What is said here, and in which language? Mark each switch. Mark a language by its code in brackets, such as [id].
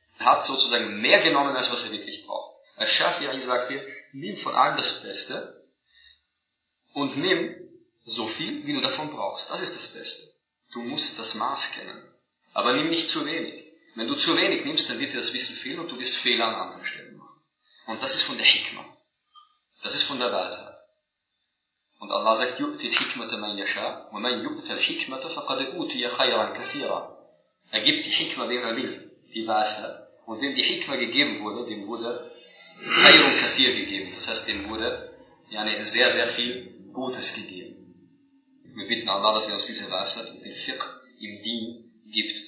[de] Er hat sozusagen mehr genommen, als was er wirklich braucht. Al-Shafi'i sagt dir, nimm von allem das Beste und nimm so viel, wie du davon brauchst. Das ist das Beste. Du musst das Maß kennen. Aber nimm nicht zu wenig. Wenn du zu wenig nimmst, dann wird dir das Wissen fehlen und du wirst Fehler an anderen Stellen machen. Und das ist von der Hikma. Das ist von der Weisheit. [ar] Und Allah sagt, يُؤْتِ الْحِكْمَةَ مَنْ يَشَاءُ وَمَنْ يُؤْتَ الْحِكْمَةَ فَقَدْ أُوتِيَ خَيْرًا كَثِيرًا. [de] Er gibt die Hikma, wem er will, die Weisheit. Und wem die Hikma gegeben wurde, dem wurde [ar] خَيْرٌ كَثِيرٌ [de] gegeben. Das heißt, dem wurde sehr, sehr viel Gutes gegeben. Wir bitten Allah, dass er uns diese Weisheit und den Fiqh im Dien gibt.